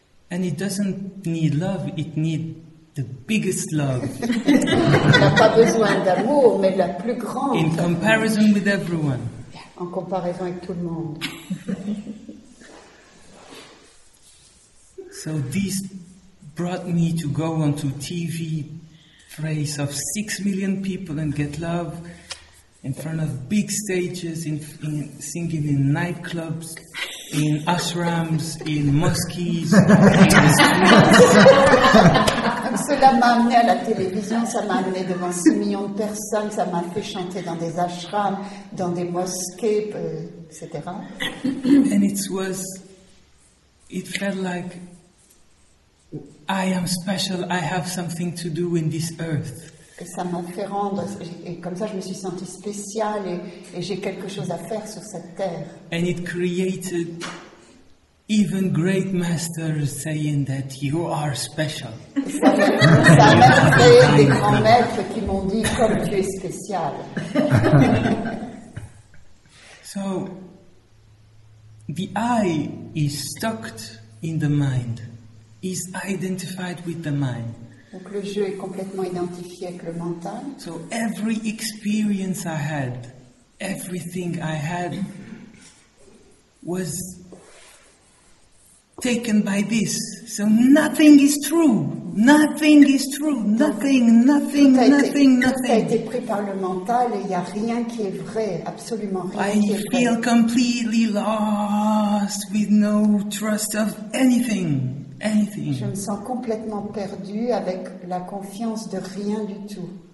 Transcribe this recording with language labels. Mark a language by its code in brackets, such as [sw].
[en] And it doesn't need love, it needs the biggest love. [fr] Il n'a pas besoin d'amour, mais la plus grande. [en] In comparison with everyone. [fr] En comparaison avec tout le monde. [en] So this brought me to go onto TV phrase of 6 million people and get love in front of big stages, in singing in nightclubs, in ashrams, in mosques. [fr] Cela m'a amené à la télévision, ça m'a amené devant 6 millions de personnes, ça m'a fait chanter dans des ashrams, dans des mosquées, etc. [en] And it felt like I am special, I have something to do in this earth. [fr] Et ça m'a fait rendre, et comme ça je me suis sentie spéciale et j'ai quelque chose à faire sur cette terre. [en] And it created even great masters saying that you are special. [fr] Ça m'a créé des grands maîtres qui m'ont dit comme tu es spécial. [en] So, the eye is stuck in the mind. Is identified with the mind. [fr] Donc le jeu est complètement identifié avec le mental. [en] So every experience I had, everything I had, was taken by this. So nothing is true. Nothing is true. Nothing. [fr] Tout a été pris par le mental et il n'y a rien qui est vrai, absolument rien. [en] I feel completely lost with no trust of anything. [fr] Je me sens complètement perdu avec la confiance de rien du tout.